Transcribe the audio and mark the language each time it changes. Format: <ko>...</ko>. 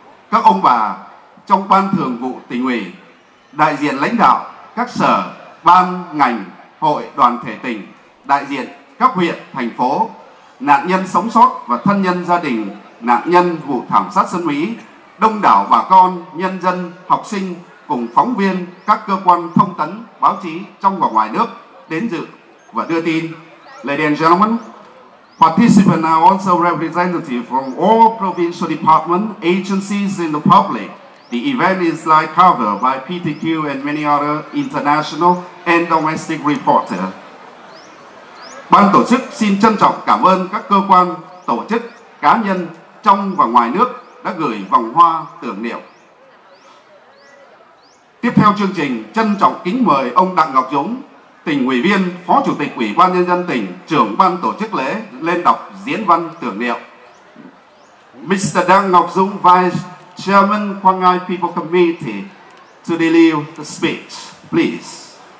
<vi>các ông bà trong Ban Thường vụ Tỉnh ủy, đại diện lãnh đạo các sở, ban, ngành, hội, đoàn thể tỉnh, đại diện các huyện, thành phố, nạn nhân sống sót và thân nhân gia đình nạn nhân vụ thảm sát Sơn Mỹ, đông đảo bà con, nhân dân, học sinh cùng phóng viên các cơ quan thông tấn, báo chí trong và ngoài nước đến dự và đưa tin.</vi> <en>Ladies and gentlemen, participants are also representatives from all provincial departments, agencies in the public. The event is live covered by PTQ and many other international and domestic reporters.</en> <vi>Ban tổ chức xin trân trọng cảm ơn các cơ quan, tổ chức, cá nhân trong và ngoài nước đã gửi vòng hoa tưởng niệm. Tiếp theo chương trình, trân trọng kính mời ông Đặng Ngọc Dũng, tỉnh ủy viên, phó chủ tịch Ủy ban Nhân dân tỉnh, trưởng ban tổ chức lễ lên đọc diễn văn tưởng niệm.</vi> <en>Mr. Đặng Ngọc Dũng, Vice Chairman, Quảng Ngãi People Committee, to deliver the speech, please.</en>